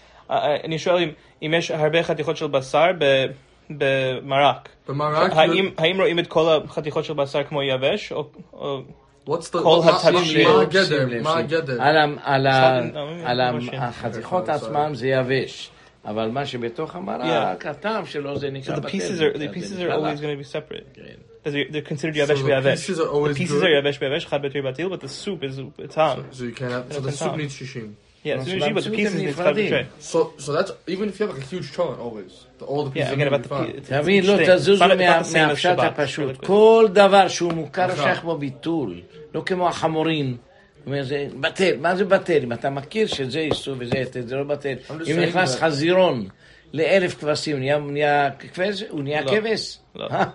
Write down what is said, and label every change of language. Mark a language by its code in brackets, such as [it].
[he] אני שואל אם יש הרבה חתיכות של בשר במרק. במרק? האם רואים את כל החתיכות של בשר כמו יבש? כל התקשיר? מה הגדר? על החתיכות עצמם זה יבש. אבל מה שבתוך המרק, הטעם שלו זה נקרא בטל. [en] The pieces are always going to be separate. They're considered yavesh b'yavesh. The pieces are yavesh b'yavesh, chad b'tri b'atil, but the soup is tam. So the soup needs shishim. Yeah, shishim, but the pieces need chad b'tri. So that's, even if you have a huge cholent, always, all the pieces are going to be fine. Look, [he] תזוזו מהפשט הפשוט. כל דבר שהוא מוכר שייך בו ביטול, לא כמו החמורים, בטל, מה זה בטל? אם אתה מכיר שזה איסור וזה יתר, זה לא בטל. אם נכנס חזירון לאלף כבשים, הוא נהיה כבש? הוא נהיה כבש? לא.